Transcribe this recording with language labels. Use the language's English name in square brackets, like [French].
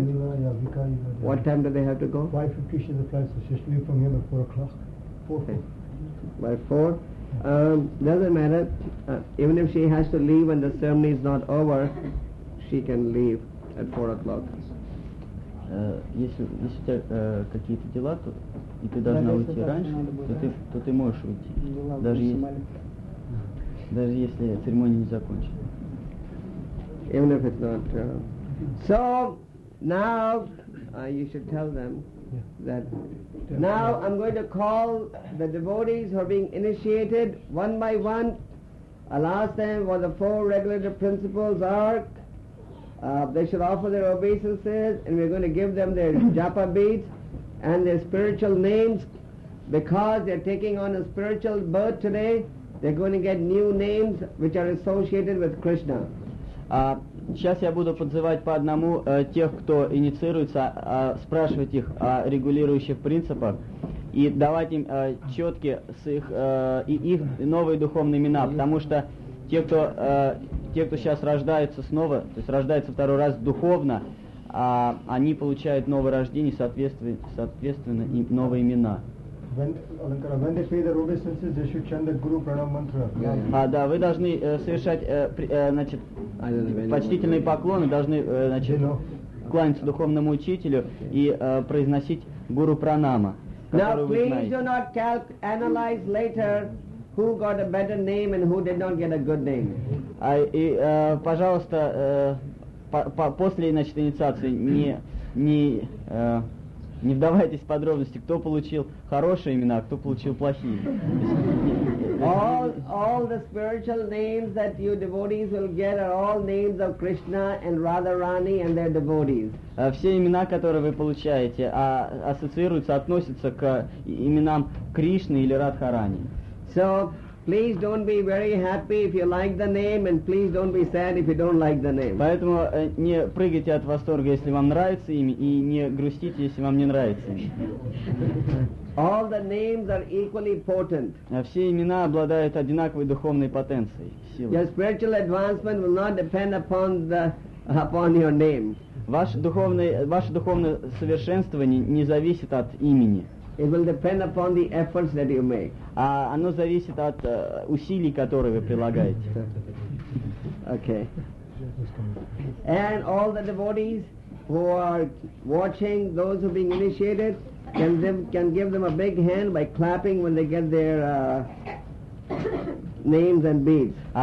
[English] Nila, yeah, Vika, you know, what time do they have to go? 5:50 is the flight, so she's leaving from here by 4 o'clock. 4 o'clock. By 4? Doesn't matter. Even if she has to leave when the ceremony is not over, she can leave at 4 o'clock. [Russian] Если у тебя какие-то дела, то, и ты должна уйти раньше, то ты можешь уйти. Даже если церемония не закончена. [English] Even if it's not... So, now you should tell them that now I'm going to call the devotees who are being initiated one by one. I'll ask them what the four regulative principles are. They should offer their obeisances, and we're going to give them their japa beads and their spiritual names, because they're taking on a spiritual birth today. They're going to get new names which are associated with Krishna. [Russian] Сейчас я буду подзывать по одному тех, кто инициируется, спрашивать их о регулирующих принципах и давать им четкие с их и их новые духовные имена, потому что те, кто сейчас рождаются снова, то есть рождаются второй раз духовно, они получают новое рождение, соответственно им новые имена. [English] When they pay the obeisances, they should chant the Guru Pranam Mantra. [Russian] Да, вы должны совершать, значит, почтительные поклоны, должны, значит, кланяться духовному учителю и произносить Гуру Пранама, который вы знаете. [English] Now, please do not analyze later who got a better name and who did not get a good name. [Russian] Пожалуйста, после, значит, инициации не вдавайтесь в подробности, кто получил хорошие имена, а кто получил плохие. [English] All the spiritual names that you devotees will get are all names of Krishna and Radharani and their devotees. [Russian] Все имена, которые вы получаете, ассоциируются, относятся к именам Кришны или Радхарани. [English] So, please don't be very happy if you like the name, and please don't be sad if you don't like the name. [Russian] Поэтому не прыгайте от восторга, если вам нравится имя, и не грустите, если вам не нравится имя. [English] All the names are equally potent. [Russian] Все имена обладают одинаковой духовной потенцией, силой. [English] Your spiritual advancement will not depend upon your name. [Russian] Ваше духовное совершенствование не зависит от имени. [English] It will depend upon the efforts that you make. [Russian] Оно зависит от усилий, которые вы прилагаете. [English] Okay. And all the devotees who are watching, those who are being initiated, can give them a big hand by clapping when they get their names and beads.